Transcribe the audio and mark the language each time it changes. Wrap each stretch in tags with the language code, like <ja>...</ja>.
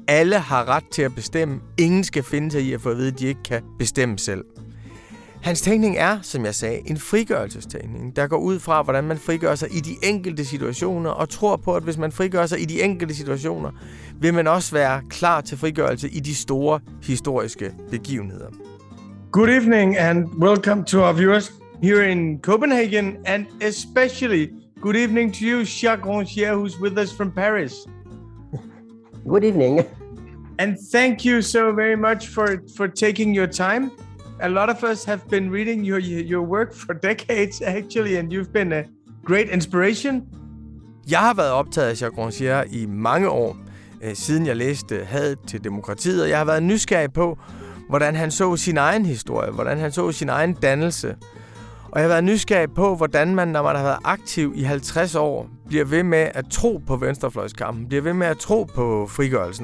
<da>Alle har ret til at bestemme. Ingen skal finde sig i at få at vide, at de ikke kan bestemme selv. Hans tænkning er, som jeg sagde, en frigørelsestænkning, der går ud fra, hvordan man frigør sig i de enkelte situationer, og tror på, at hvis man frigør sig i de enkelte situationer, vil man også være klar til frigørelse i de store historiske begivenheder.</da> <en>Good evening and welcome to our viewers here in Copenhagen, and especially good evening to you, Jacques Rancière, who's with us from Paris. Good evening. And thank you so very much for taking your time. A lot of us have been reading your work for decades, actually, and you've been a great inspiration.</en> <da>Jeg har været optaget af Jacques Rancière i mange år, siden jeg læste Hadet til demokratiet, og jeg har været nysgerrig på, hvordan han så sin egen historie, hvordan han så sin egen dannelse. Og jeg har været nysgerrig på, hvordan man, når man har været aktiv i 50 år, bliver ved med at tro på venstrefløjskampen, bliver ved med at tro på frigørelsen.</da>